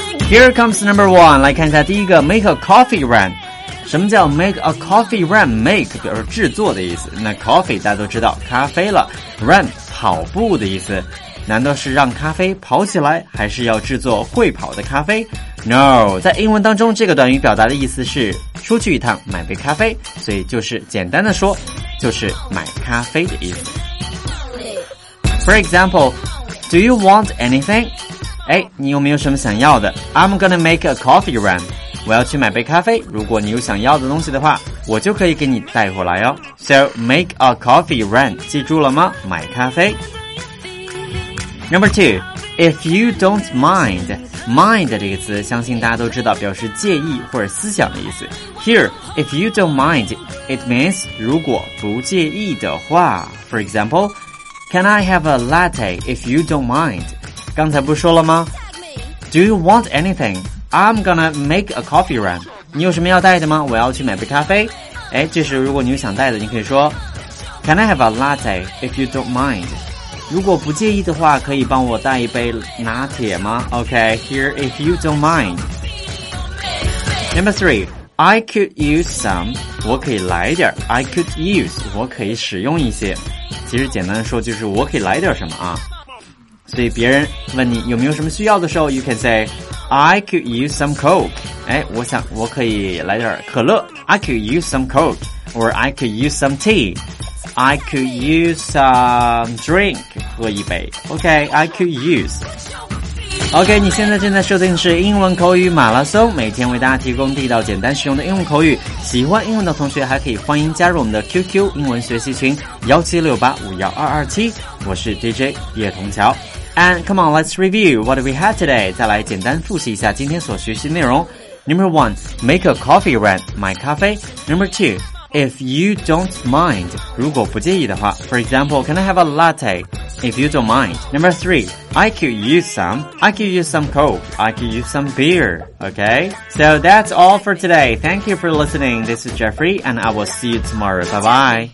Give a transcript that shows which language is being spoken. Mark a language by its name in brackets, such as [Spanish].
[English] Here comes number one, [Chinese] 来看一下第一个 [English] make a coffee run. [Chinese] 什么叫 [English] make a coffee run? [Chinese] Make 表示制作的意思，那 coffee 大家都知道咖啡了， run 跑步的意思，难道是让咖啡跑起来，还是要制作会跑的咖啡？ No, 在英文当中这个短语表达的意思是出去一趟买杯咖啡，所以就是简单的说，就是买咖啡的意思。 [English] For example, do you want anything? [Chinese] 哎，你有没有什么想要的？ [English] I'm gonna make a coffee run. [Chinese] 我要去买杯咖啡，如果你有想要的东西的话，我就可以给你带回来哦。 [English] So, make a coffee run, [Chinese] 记住了吗？买咖啡。 [English] Number two, if you don't mind, [Chinese] mind 这个词相信大家都知道表示介意或者思想的意思。 [English] Here, if you don't mind, it means [Chinese] 如果不介意的话。 [English] For example, can I have a latte if you don't mind? [Chinese] 刚才不说了吗？ [English] Do you want anything? I'm gonna make a coffee run. [Chinese] 你有什么要带的吗？我要去买杯咖啡。哎，这时如果你有想带的，你可以说 [English] can I have a latte if you don't mind? [Chinese] 如果不介意的话，可以帮我带一杯拿铁吗？ [English] OK, here if you don't mind. Number three, I could use some, [Chinese] 我可以来点 [English] I could use, [Chinese] 我可以使用一些，其实简单的说就是我可以来点什么啊。所以别人问你有没有什么需要的时候， [English] you can say, I could use some coke. [Chinese] 哎，我想我可以来点可乐， [English] I could use some coke, or I could use some tea. I could use some drink, [Chinese] 喝一杯。 [English] OK, I could use. [Chinese] OK, 你现在正在收听的是英文口语马拉松，每天为大家提供地道、简单、实用的英文口语。喜欢英文的同学还可以欢迎加入我们的 QQ 英文学习群 1768-51227。我是 DJ 叶童桥。 [English] And come on, let's review what we had today. [Chinese] 再来简单复习一下今天所学习内容。 [English] Number one, make a coffee run, [Chinese] 买咖啡。 [English] Number two,If you don't mind, [Chinese] 如果不介意的话。 [English] For example, can I have a latte? If you don't mind. Number three, I could use some coke. I could use some beer. Okay? So that's all for today. Thank you for listening. This is Jeffrey, and I will see you tomorrow. Bye-bye.